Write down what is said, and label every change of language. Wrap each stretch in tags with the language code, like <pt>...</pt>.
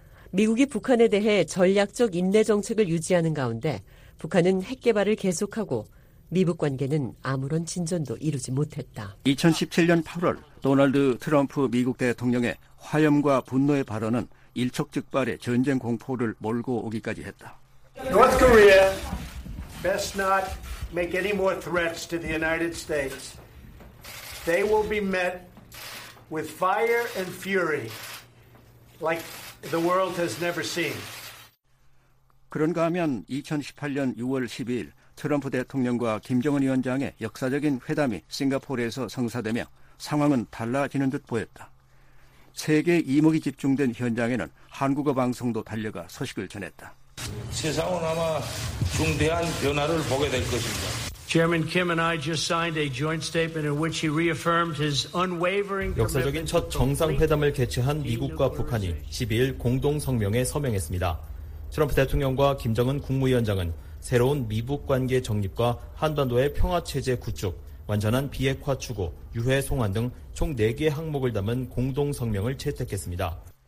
<ko>미국이 북한에 대해 전략적 인내 정책을 유지하는 가운데 북한은 핵 개발을 계속하고 미북 관계는 아무런 진전도 이루지 못했다. 2017년 8월 도널드 트럼프 미국 대통령의 화염과 분노의 발언은 일촉즉발의 전쟁 공포를 몰고 오기까지 했다.</ko> <en>North Korea best not make any more threats to the United States. They will be met with fire and fury like the world has never seen.</en> <ko>그런가 하면 2018년 6월 12일 트럼프 대통령과 김정은 위원장의 역사적인 회담이 싱가포르에서 성사되며 상황은 달라지는 듯 보였다. 세계 이목이 집중된 현장에는 한국어 방송도 달려가 소식을 전했다. 세상은 아마 중대한 변화를 보게 될 것입니다.</ko> <en>Chairman Kim and I just signed a joint statement in which he reaffirmed his unwavering</en> <ko>역사적인 첫 정상회담을 개최한 미국과 북한이 12일 공동 성명에 서명했습니다. 트럼프 대통령과 김정은 국무위원장은 새로운 미북 관계 정립과 한반도의 평화 체제 구축, 완전한 비핵화 추구, 유해 송환 등 총 4개 항목을 담은 공동 성명을 채택했습니다.</ko>